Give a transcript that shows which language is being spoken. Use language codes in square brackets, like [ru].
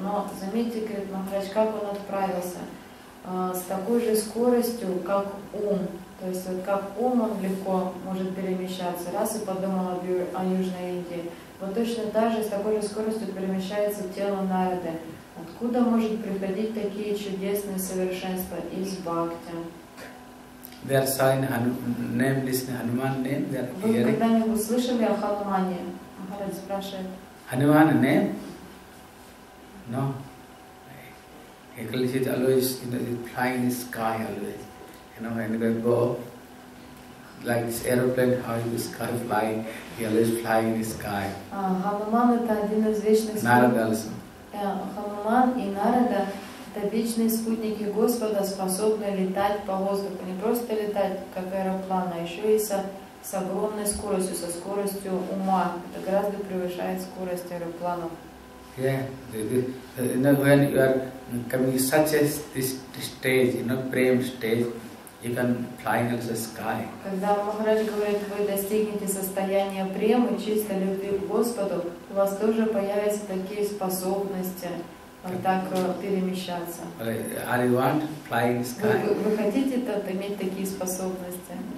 [ru] Но заметьте, говорит Махарадж, как он отправился? С такой же скоростью, как ум. То есть вот как ум, он легко может перемещаться. Раз и подумал о Южной Индии. Вот точно так же, с такой же скоростью перемещается тело Нарады. Откуда может приходить такие чудесные совершенства из бхакти? [en] They are saying name, this Hanuman name, they are hearing. [ru] Вы когда-нибудь слышали о Ханумане? Махарадж спрашивает. [en] Hanuman name? No. Eclipse is always, you know, flying in the sky always. You know, when they go, like this aeroplane, how in the sky flying, he always flying in the sky. [ru] Хануман – это один из вечных спутников. [en] Narada also. [ru] Хануман и Нарада – это вечные спутники Господа, способные летать по воздуху. Не просто летать, как аэроплан, а еще и со с огромной скоростью, со скоростью ума. Это гораздо превышает скорость аэроплана. [en] When you are coming to such a stage, you know, prem stage, you can fly into the sky. [ru] Когда Махарадж говорит, вы достигнете состояния премы, чистой любви к Господу, у вас тоже появятся такие способности так перемещаться. [en] Are you want to fly in the sky? [ru] Вы хотите иметь такие способности?